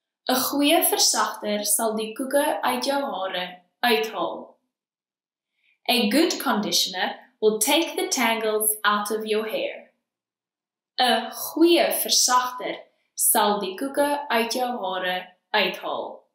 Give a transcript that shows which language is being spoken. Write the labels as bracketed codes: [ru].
[af] 'N goeie versachter sal die koeke uit jou hare uithaal. [en] A good conditioner will take the tangles out of your hair. [af] 'N goeie versachter sal die koeke uit jou hare uithaal.